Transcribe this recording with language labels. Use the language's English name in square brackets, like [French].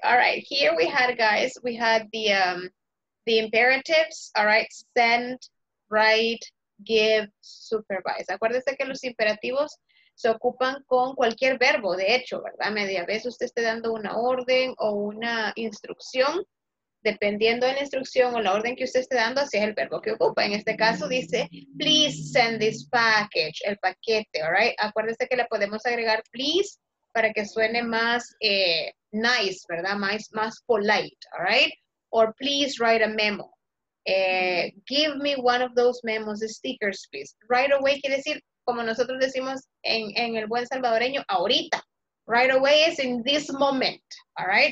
[English] All right, here we had, guys, we had the imperatives. All right, send, write, give, supervise. [Spanish] Acuérdense que los imperativos se ocupan con cualquier verbo, de hecho, ¿verdad? Media vez usted esté dando una orden o una instrucción, dependiendo de la instrucción o la orden que usted esté dando, así es el verbo que ocupa. En este caso dice, [English] please send this package, [Spanish] el paquete, all right? Acuérdese que le podemos agregar please para que suene más nice, ¿verdad? Más [English] polite, all right? Or please write a memo. Give me one of those memos, the stickers, please. [Spanish] Right away quiere decir, como nosotros decimos en el buen salvadoreño, ahorita. [English] Right away is in this moment, all right?